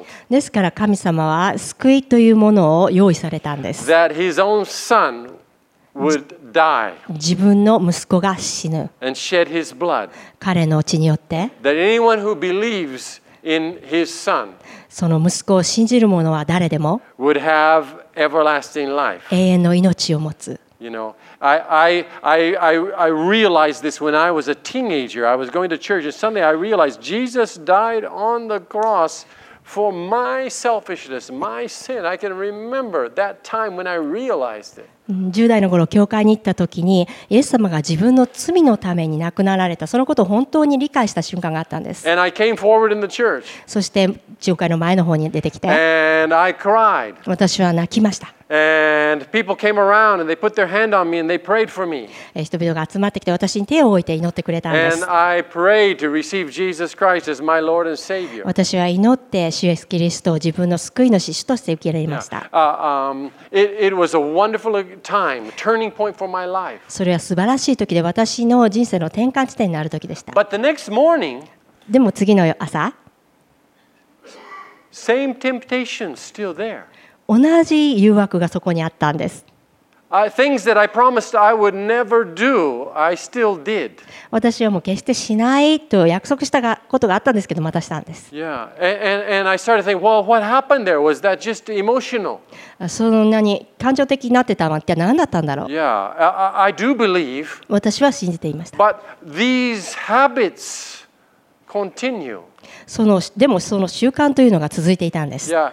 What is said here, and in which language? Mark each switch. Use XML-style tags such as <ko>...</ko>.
<ja>ですから神様は救いというものを用意されたんです。</ja> <en>That his own son would die.</en> <ja>自分の息子が死ぬ。</ja> <en>And shed his blood.</en> <ja>彼の血によって。</ja> <en>That anyone who believes in his son.</en> <ja>その息子を信じる者は誰でも。</ja> <en>Would have everlasting life.</en> <ja>永遠の命を持つ。</ja> <en>You know, I realized this when I was a teenager. I was going to church, and suddenly I realized Jesus died on the cross for my selfishness, my sin. I can remember that time when I realized it.</en> <ja>10代の頃教会に行った時にイエス様が自分の罪のために亡くなられたそのことを本当に理解した瞬間があったんです。</ja> <en>And I came forward in the church.</en> <ja>そして教会の前の方に出てきて</ja> <en>And I cried.</en> <ja>私は泣きました。人々が集まってきて私に手を置いて祈ってくれたんです。</ja> <en>And I prayed to receive Jesus Christ as my Lord and Savior.</en> <ja>私は祈って主イエスキリストを自分の救い主主として受け入れました。</ja> <en>Yeah. It was a wonderful aTime, turning point for my life.</en> <ja>それは素晴らしい時で私の人生の転換地点になる時でした。</ja> <en>But the next morning,</en> <ja>でも次の朝</ja> <en>same temptation still there.</en> <ja>同じ誘惑がそこにあったんです。</ja> <en>Things that I promised I would never do, I still did.</en> <ja>私はもう決してしないと約束したことがあったんですけど、またしたんです。</ja> <en>Yeah, and I started thinking, well, what happened there? Was that just emotional?</en> <ja>そんなに感情的になってたわけは何だったんだろう。</ja> <en>Yeah, I do believe.</en> <ja>私は信じていました。</ja> <en>But these habits continue.</en> <ja>そのでもその習慣というのが続いていたんです。</ja>